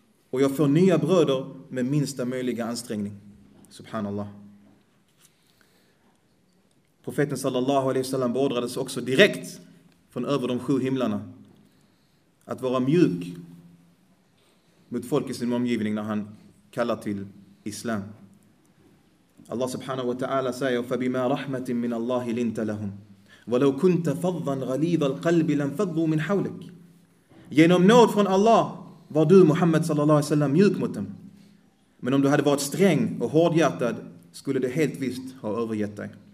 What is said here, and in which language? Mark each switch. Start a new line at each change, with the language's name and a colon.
Swedish: Och jag får nya bröder med minsta möjliga ansträngning. Subhanallah. Profeten sallallahu alaihi wasallam beordrades också direkt från över de sju himlarna att vara mjuk mot folk i sin omgivning när han kallar till islam. Allah subhanahu wa ta'ala säger:
Arabic: فَبِمَا رَحْمَةٍ مِّنَ اللَّهِ لِنْتَ لَهُمْ وَلَوْ كُنْتَ فَضًّا غَلِيظَ الْقَلْبِ لَمْ فَضُّوا مِنْ حَوْلِكَ.
Swedish: Genom nåd från Allah var du Muhammad sallallahu alaihi wasallam mjuk mot dem. Men om du hade varit sträng och hårdhjärtad skulle det helt visst ha övergett dig.